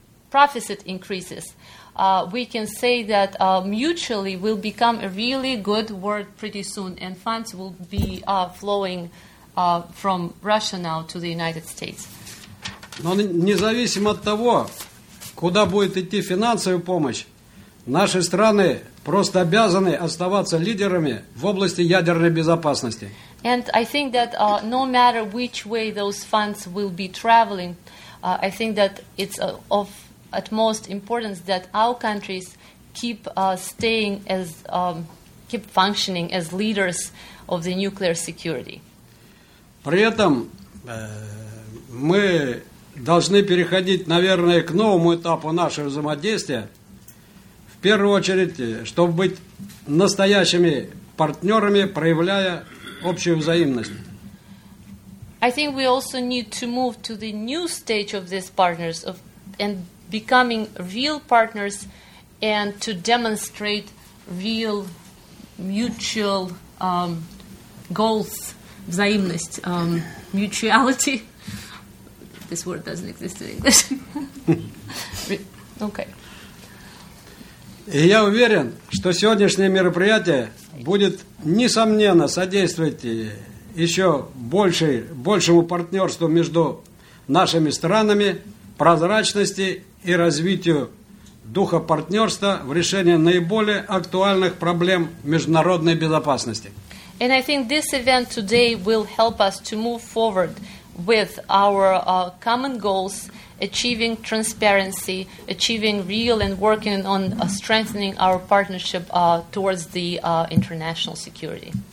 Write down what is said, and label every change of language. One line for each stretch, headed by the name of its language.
English: profit increases, we can say that mutually will become a really good word pretty soon and funds will be flowing from Russia now to the United States.
Russian: Но независимо от того, куда будет идти финансовая помощь, наши страны просто обязаны оставаться лидерами в области ядерной безопасности.
English: And I think that no matter which way those funds will be traveling, I think that it's of utmost importance that our countries keep staying as keep functioning as leaders of the nuclear security.
Russian: При этом мы должны переходить, наверное, к новому этапу нашего взаимодействия. В первую очередь, чтобы быть настоящими партнерами, проявляя общую взаимность.
English: I think we also need to move to the new stage of this partners of and becoming real partners and to demonstrate real mutual goals, взаимность, mutuality. This word doesn't exist in English. Okay.
Russian: И я уверен, что сегодняшнее мероприятие будет, несомненно, содействовать еще большему партнерству между нашими странами, прозрачности и развитию духа партнерства в решении наиболее актуальных проблем международной безопасности.
English: And I think this event today will help us to move forward with our common goals, achieving transparency, achieving real and working on strengthening our partnership towards the international security.